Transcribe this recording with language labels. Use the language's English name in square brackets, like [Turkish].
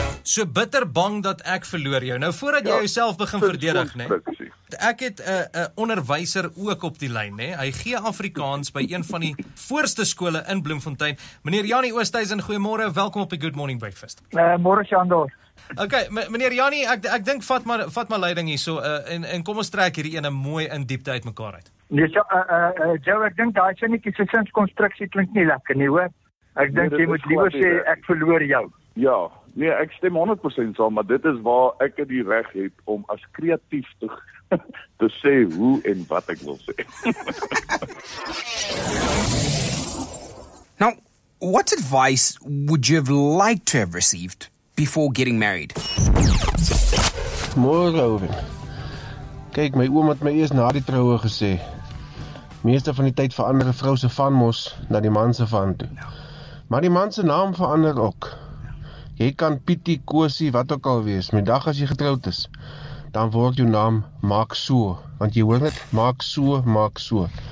[Afrikaans] So bitter bang dat ek verloor jou. Nou voordat jy jouself begin verdedig, né? Ek het 'n onderwyser ook op die lyn, né? Hy gee Afrikaans by een van die voorste skole in Bloemfontein. Meneer Jannie Oosthuizen, goeiemôre. Welkom op die Good Morning Breakfast. Môre, Sjandor. Okay, meneer Jannie, ek dink vat maar leiding hierso en kom ons trek hierdie een mooi in diepte uit mekaar uit. Nee, Joe, ek dink daai sinnetjie se sinskonstruksie klink nie lekker nie, hoor. Ek dink jy moet liewer sê ek verloor jou. Ja, nee, ek stem 100% saam, maar dit is waar ek die reg het om as kreatief te sê hoe en wat ek wil sê. [English] Now, what advice would you have liked to have received before getting married? [Afrikaans] Môre, Owen. Kyk, my ouma het my eers na die troue gesê, meeste van die tyd verander 'n vrou se van mos na die man se van toe. Maar die man se naam verander ook. Jy kan Pietie, Kosie, wat ook al wees, my dag as jy getroud is, dan word jou naam Maak So, want jy hoor dit, Maak So, Maak So.